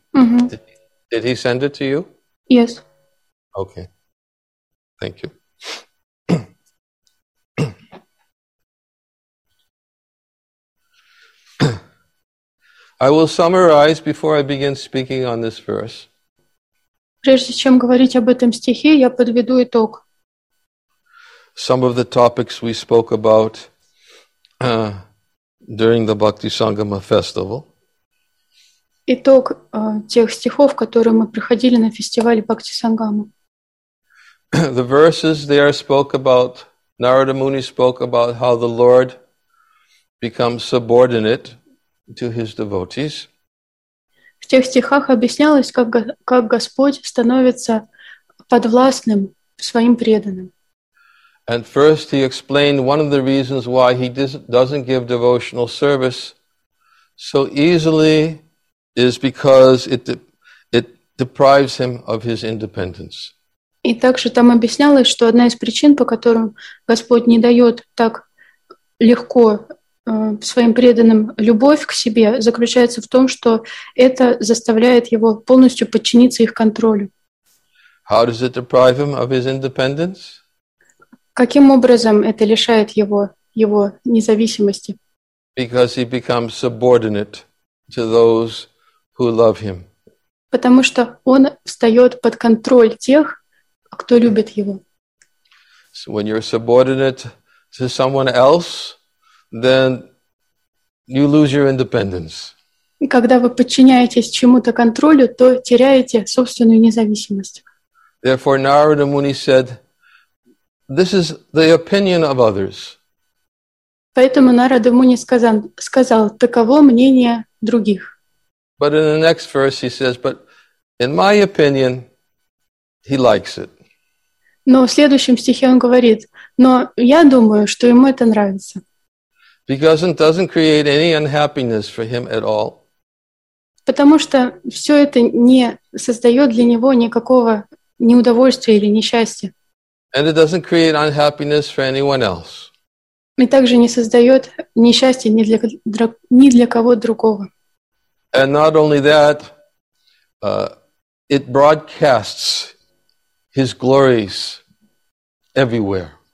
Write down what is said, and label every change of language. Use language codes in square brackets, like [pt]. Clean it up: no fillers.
[en] Did he send it to you? Yes. Okay. Thank you. I will summarize before I begin speaking on this verse. [ru] Прежде чем говорить об этом стихе, я подведу итог. [en] Some of the topics we spoke about during the Bhakti Sangama festival. [ru] Итог тех стихов, которые мы проходили на фестивале Бхакти Сангама. [en] The verses there spoke about, Narada Muni spoke about how the Lord becomes subordinate to his devotees. [ru] В тех стихах объяснялось, как Господь становится подвластным своим преданным. [en] And first he explained one of the reasons why he doesn't give devotional service so easily is because it deprives him of his independence. [ru] И также там объяснялось, что одна из причин, по которым Господь не дает так легко своим преданным любовь к себе, заключается в том, что это заставляет его полностью подчиниться их контролю. [en] How does it deprive him of his independence? [ru] Каким образом это лишает его независимости? [en] Because he becomes subordinate to those who love him. [ru] Потому что он встает под контроль тех, кто любит его. [en] So when you're subordinate to someone else, then you lose your independence. [ru] И когда вы подчиняетесь чему-то контролю, то теряете собственную независимость. [en] Therefore, Narada Muni said, this is the opinion of others. [ru] Поэтому Нарада Муни сказал, таково мнение других. [en] But in the next verse he says, but in my opinion, he likes it. [ru] Но в следующем стихе он говорит, но я думаю, что ему это нравится. [en] Because it doesn't create any unhappiness for him at all. [ru] Потому что все это не создает для него никакого неудовольствия или несчастья. [en] And it doesn't create unhappiness for anyone else. [ru] И также не создает несчастья ни для кого другого. [en] And not only that, it broadcasts his glories everywhere.